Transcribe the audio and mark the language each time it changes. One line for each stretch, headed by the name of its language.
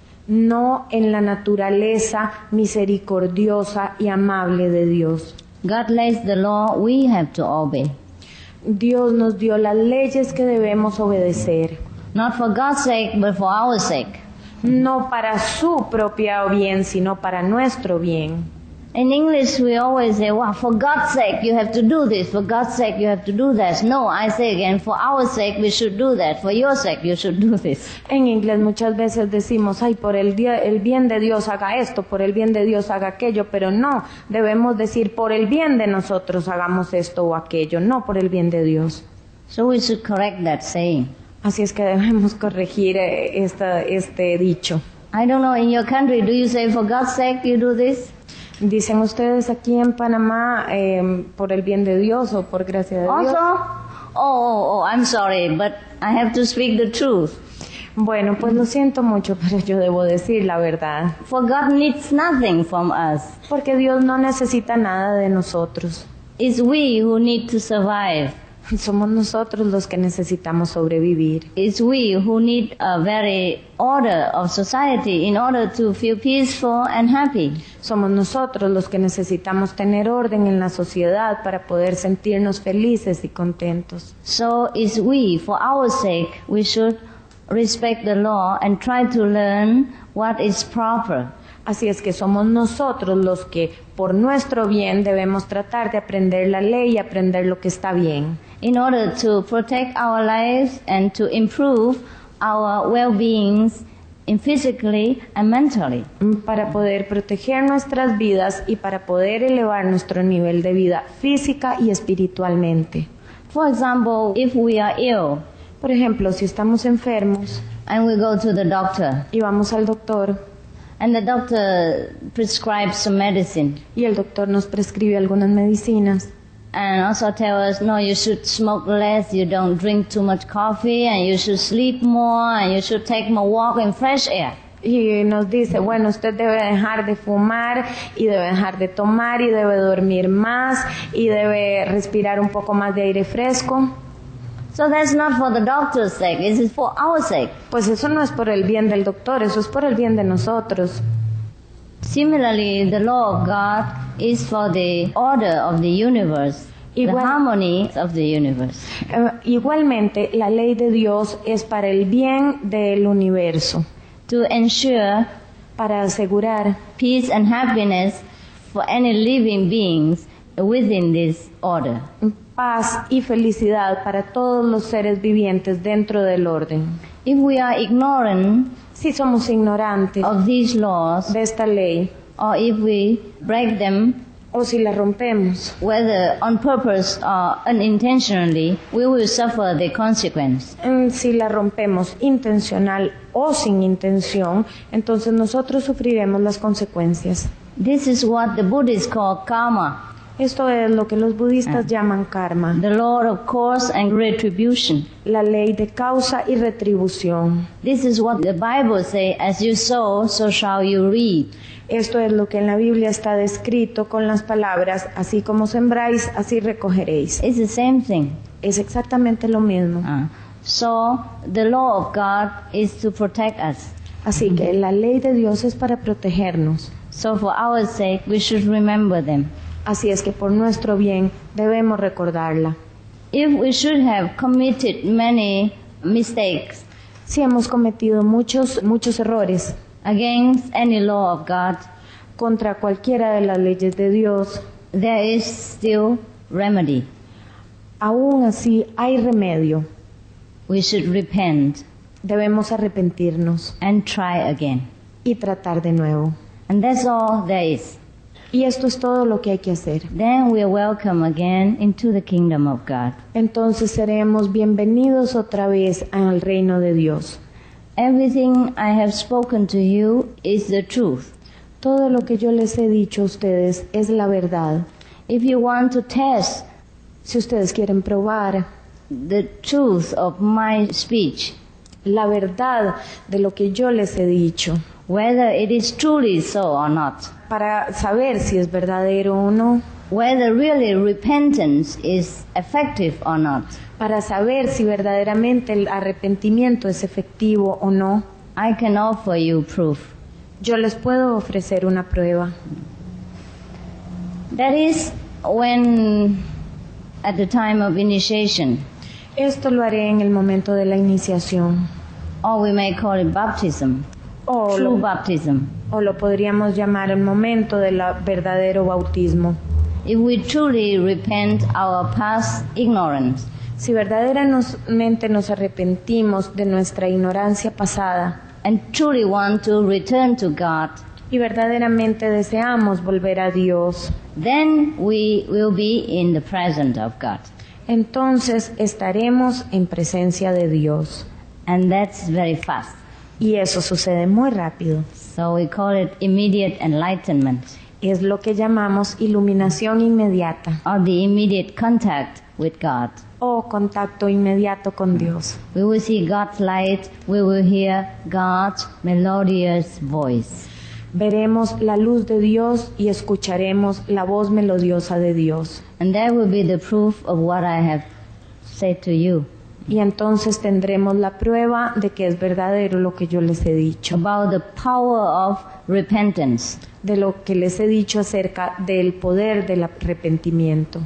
Spanish: No en la naturaleza misericordiosa y amable de Dios.
English: God lays the law we have to obey.
Spanish: Dios nos dio las leyes que debemos obedecer.
English: Not for God's sake, but for our sake.
Spanish: No para su propio bien, sino para nuestro bien.
English: In English, we always say, well, for God's sake, you have to do this. For God's sake, you have to do that. No, I say again, for our sake, we should do that. For your sake, you should do this.
Spanish: En inglés, muchas veces decimos, ay, por el bien de Dios haga esto, por el bien de Dios haga aquello. Pero no, debemos decir, por el bien de nosotros hagamos esto o aquello, no por el bien de Dios.
English: So we should correct that saying.
Spanish: Así es que debemos corregir este dicho.
English: I don't know, in your country, do you say, for God's sake, you do this?
Spanish: Dicen ustedes aquí en Panamá por el bien de Dios o por gracia de
English: also,
Spanish: Dios.
English: Oh, I'm sorry, but I have to speak the truth.
Spanish: Bueno, pues lo siento mucho, pero yo debo decir la verdad.
English: For God needs nothing from us.
Spanish: Porque Dios no necesita nada de nosotros.
English: It's we who need to survive.
Spanish: Somos nosotros los que necesitamos sobrevivir.
English: It's we who need a very order of society in order to feel peaceful and happy.
Spanish: Somos nosotros los que necesitamos tener orden en la sociedad para poder sentirnos felices y contentos.
English: So it's we, for our sake, we should respect the law and try to learn what is proper.
Spanish: Así es que somos nosotros los que, por nuestro bien, debemos tratar de aprender la ley y aprender lo que está bien.
English: In order to protect our lives and to improve our well-beings in physically and mentally.
Spanish: Para poder proteger nuestras vidas y para poder elevar nuestro nivel de vida física y espiritualmente.
English: For example, if we are ill.
Spanish: Por ejemplo, si estamos enfermos.
English: And we go to the doctor.
Spanish: Y vamos al doctor.
English: And the doctor prescribes some medicine.
Spanish: Y el doctor nos prescribe algunas medicinas.
English: And also tell us, no, you should smoke less, you don't drink too much coffee, and you should sleep more, and you should take more walk in fresh air.
Spanish: Y nos dice, bueno, usted debe dejar de fumar, y debe dejar de tomar, y debe dormir más, y debe respirar un poco más de aire fresco.
English: So that's not for the doctor's sake, it's for our sake.
Spanish: Pues eso no es por el bien del doctor, eso es por el bien de nosotros.
English: Similarly, the law of God is for the order of the universe, the harmony of the universe.
Spanish: Igualmente, la ley de Dios es para el bien del universo.
English: To ensure,
Spanish: para asegurar,
English: peace and happiness for any living beings within this order.
Spanish: Paz y felicidad para todos los seres vivientes dentro del orden.
English: If we are ignorant,
Spanish: si somos ignorantes
English: of these laws,
Spanish: de esta ley,
English: or if we break them,
Spanish: o si la rompemos,
English: whether on purpose or unintentionally, we will suffer the consequence.
Spanish: Si la rompemos intencional o sin intención, entonces nosotros sufriremos las consecuencias.
English: This is what the Buddhists call karma.
Spanish: Esto es lo que los budistas llaman karma.
English: The law of cause and retribution.
Spanish: La ley de causa y retribución.
English: This is what the Bible says, as you sow, so shall you reap.
Spanish: Esto es lo que en la Biblia está descrito con las palabras, así como sembráis, así recogeréis.
English: It's the same thing.
Spanish: Es exactamente lo mismo.
English: So, the law of God is to protect us.
Spanish: Así que la ley de Dios es para protegernos.
English: So, for our sake, we should remember them.
Spanish: Así es que por nuestro bien debemos recordarla.
English: If we should have committed many mistakes,
Spanish: si hemos cometido muchos errores,
English: against any law of God,
Spanish: contra cualquiera de las leyes de Dios,
English: there is still remedy.
Spanish: Aún así hay remedio.
English: We should repent.
Spanish: Debemos arrepentirnos.
English: And try again.
Spanish: Y tratar de nuevo.
English: And that's all there is.
Spanish: Y esto es todo lo que hay que hacer.
English: Then we are welcome again into the kingdom of God.
Spanish: Entonces seremos bienvenidos otra vez al reino de Dios.
English: Everything I have spoken to you is the truth.
Spanish: Todo lo que yo les he dicho a ustedes es la verdad.
English: If you want to test,
Spanish: si ustedes quieren probar
English: the truth of my speech,
Spanish: la verdad de lo que yo les he dicho,
English: whether it is truly so or not,
Spanish: para saber si es verdadero o no,
English: whether really repentance is effective or not,
Spanish: para saber si verdaderamente el arrepentimiento es efectivo o no,
English: I can offer you proof.
Spanish: Yo les puedo ofrecer una prueba.
English: That is when at the time of initiation.
Spanish: Esto lo haré en el momento de la iniciación.
English: Or we may call it baptism. True baptism.
Spanish: O lo podríamos llamar el momento del verdadero bautismo.
English: If we truly repent our past ignorance.
Spanish: Si verdaderamente nos arrepentimos de nuestra ignorancia pasada.
English: And truly want to return to God.
Spanish: Y verdaderamente deseamos volver a Dios.
English: Then we will be in the presence of God.
Spanish: Entonces estaremos en presencia de Dios.
English: And that's very fast.
Spanish: Y eso sucede muy rápido.
English: So we call it immediate enlightenment.
Spanish: Es lo que llamamos iluminación inmediata.
English: Or the immediate contact with God.
Spanish: O contacto inmediato con Dios.
English: We will see God's light, we will hear God's melodious voice.
Spanish: Veremos la luz de Dios y escucharemos la voz melodiosa de Dios.
English: And that will be the proof of what I have said to you.
Spanish: Y entonces tendremos la prueba de que es verdadero lo que yo les he dicho.
English: About the power of repentance.
Spanish: De lo que les he dicho acerca del poder del arrepentimiento.